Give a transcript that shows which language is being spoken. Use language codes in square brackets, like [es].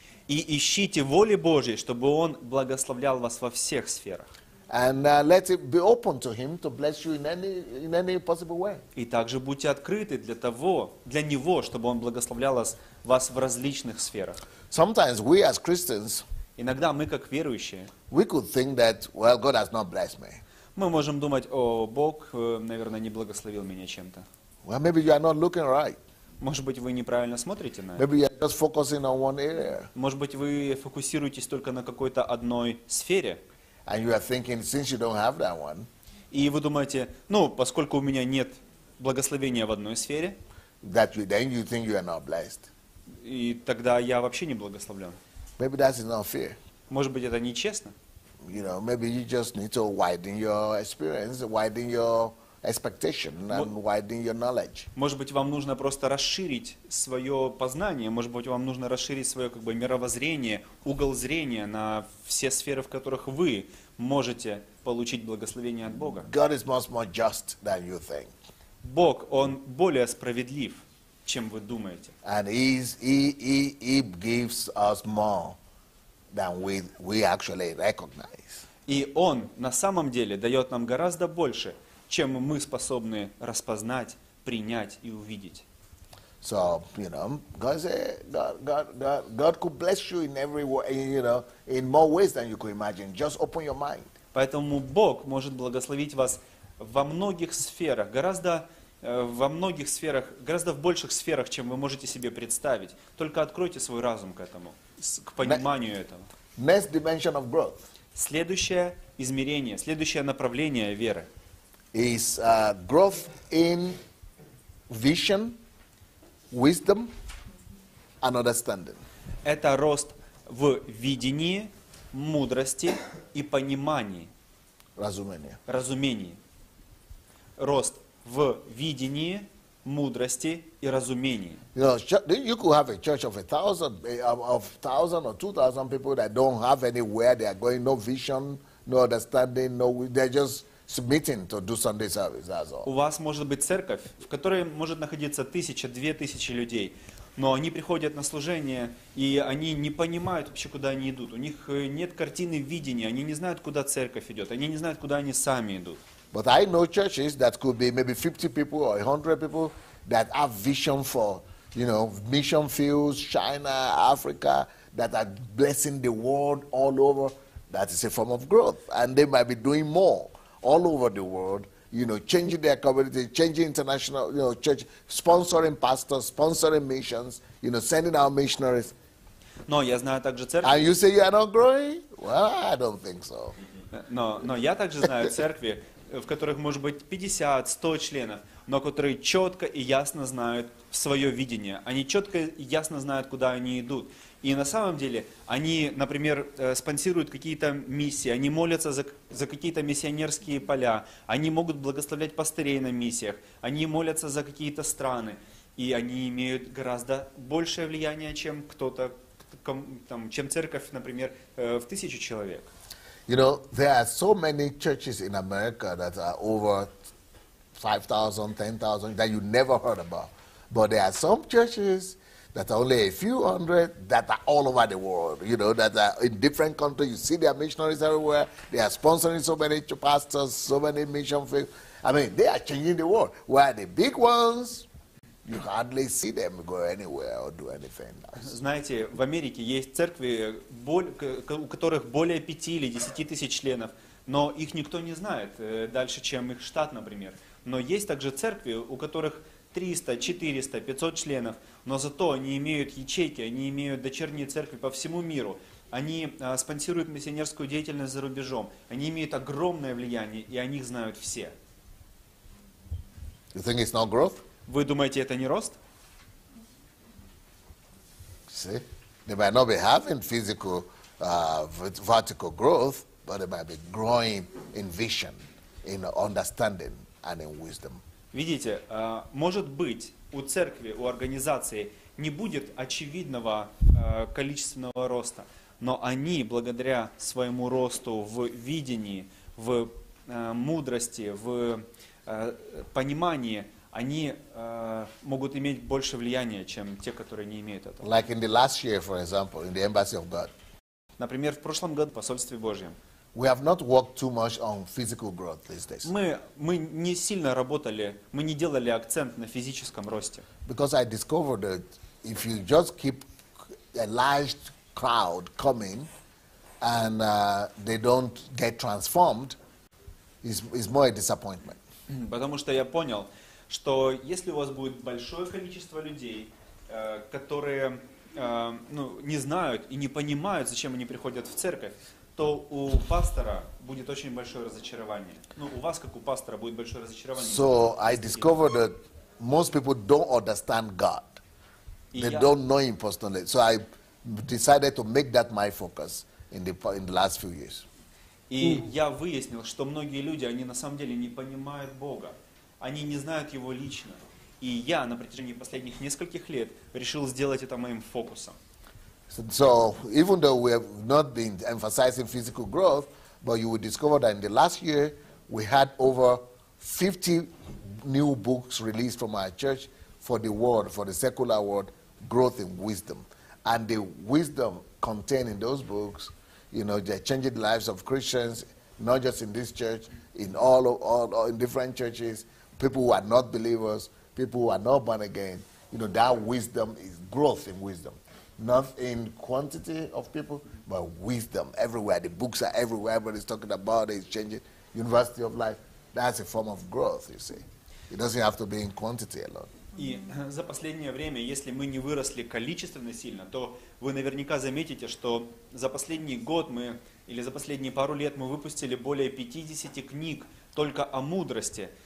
[ru] И ищите воли Божьей, чтобы Он благословлял вас во всех сферах. [en] And let it be open to Him to bless you in any possible way. [ru] И также будьте открыты для Него, чтобы Он благословлял вас в различных сферах. [en] Sometimes we as Christians, [ru] иногда мы как верующие, [en] we could think that, well, God has not blessed me. [ru] Мы можем думать, о, Бог, наверное, не благословил меня чем-то. [en] Well, maybe you are not looking right. [ru] Может быть, вы неправильно смотрите на это. [en] Maybe you're just focusing on one area. [ru] Может быть, вы фокусируетесь только на какой-то одной сфере. [en] And you are thinking, since you don't have that one. [ru] И вы думаете, ну, поскольку у меня нет благословения в одной сфере, [en] that you, then you think you are not blessed. [ru] И тогда я вообще не благословлен. [en] Maybe that is not fair. [ru] Может быть, это нечестно. [en] You know, maybe you just need to widen your experience, widen your expectation and widen your knowledge. [ru] Может быть, вам нужно просто расширить свое познание, может быть, вам нужно расширить свое как бы мировоззрение, угол зрения на все сферы, в которых вы можете получить благословение от Бога. [en] God is much more just than you think. [ru] Бог, Он более справедлив, чем вы думаете. [en] And he gives us more than we actually recognize. [ru] И Он на самом деле дает нам гораздо больше, чем мы способны распознать, принять и увидеть. [en] So, you know, God could bless you in every way, you know, in more ways than you could imagine. Just open your mind. [ru] Поэтому Бог может благословить вас во многих сферах, гораздо в больших сферах, чем вы можете себе представить. Только откройте свой разум к этому, к пониманию этого. [en] Next dimension of growth. [ru] Следующее измерение, следующее направление веры. [en] Is growth in vision, wisdom, and understanding. [ru] Это рост в видении, мудрости и понимании. Разумении. Рост в видении, мудрости и разумении. [en] You know, you could have a church of 1,000 or 2,000 people that don't have anywhere they are going, no vision, no understanding, no, they're just submitting to do Sunday service, that's all. [ru] У вас может быть церковь, в которой может находиться 1000, 2000 людей, но они приходят на служение, и они не понимают вообще, куда они идут. У них нет картины видения, они не знают, куда церковь идет, они не знают, куда они сами идут. [en] But I know churches that could be maybe 50 people or 100 people that have vision for, you know, mission fields, China, Africa, that are blessing the world all over. That is a form of growth, and they might be doing more. All over the world, you know, changing their community, changing international, you know, church, sponsoring pastors, sponsoring missions, you know, sending out missionaries. [ru] No, я знаю также церкви. [en] And you say you are not growing? Well, I don't think so. [ru] Но я также знаю церкви, в которых может быть 50-100 членов, но которые четко и ясно знают свое видение. Они четко и ясно знают, куда они идут. И на самом деле, они, например, спонсируют какие-то миссии, они молятся за какие-то миссионерские поля, они могут благословлять пастырей на миссиях, они молятся за какие-то страны, и они имеют гораздо большее влияние, чем кто-то, там, чем церковь, например, в 1000 человек. [en] You know, there are so many churches in America that are over 5,000, 10,000, that you never heard about. But there are some churches that are only a few hundred that are all over the world, you know, that are in different countries. You see their missionaries everywhere. They are sponsoring so many pastors, so many mission fields. I mean, they are changing the world. Where the big ones, you hardly see them go anywhere or do anything else. [ru] Знаете, в Америке есть церкви, у которых более 5 или 10 тысяч членов, но их никто не знает дальше, чем их штат, например. Но есть также церкви, у которых 300, 400, 500 членов, но зато они имеют ячейки, они имеют дочерние церкви по всему миру, они спонсируют миссионерскую деятельность за рубежом, они имеют огромное влияние, и о них знают все. [en] You think it's not growth? [ru] Вы думаете, это не рост? [en] See, they might not be having physical, vertical growth, but they might be growing in vision, in understanding and in wisdom. [ru] Видите, может быть, у церкви, у организации не будет очевидного количественного роста, но они, благодаря своему росту в видении, в мудрости, в понимании, они могут иметь больше влияния, чем те, которые не имеют этого. [en] Like in the last year, for example, in the Embassy of God. [ru] Например, в прошлом году в посольстве Божьем. [en] We have not worked too much on physical growth these days. [ru] Мы не сильно работали, мы не делали акцент на физическом росте. [en] Because I discovered that if you just keep a large crowd coming and they don't get transformed, it's more a disappointment. [ru] Потому что я понял, что если у вас будет большое количество людей, которые ну, не знают и не понимают, зачем они приходят в церковь, то у пастора будет очень большое разочарование. Ну, у вас, как у пастора, будет большое разочарование. [en] So I discovered that most people don't understand God. They don't know him personally. So I decided to make that my focus in the last few years. [ru] И я выяснил, что многие люди, они на самом деле не понимают Бога. Они не знают его лично. И я на протяжении последних нескольких лет решил сделать это моим фокусом. [en] So even though we have not been emphasizing physical growth, but you will discover that in the last year we had over 50 new books released from our church for the world, for the secular world, growth in wisdom. And the wisdom contained in those books, you know, they're changing the lives of Christians, not just in this church, in all in different churches, people who are not believers, people who are not born again, you know, that wisdom is growth in wisdom. Not in quantity of people, but wisdom everywhere. The books are everywhere, everybody's talking about it, it's changing. University of life, that's a form of growth, you see. It doesn't have to be in quantity alone. [ru] И за последнее время, если мы не выросли количественно сильно, то вы наверняка заметите, что за последний год мы, или за последние пару лет мы выпустили более 50 книг только о мудрости.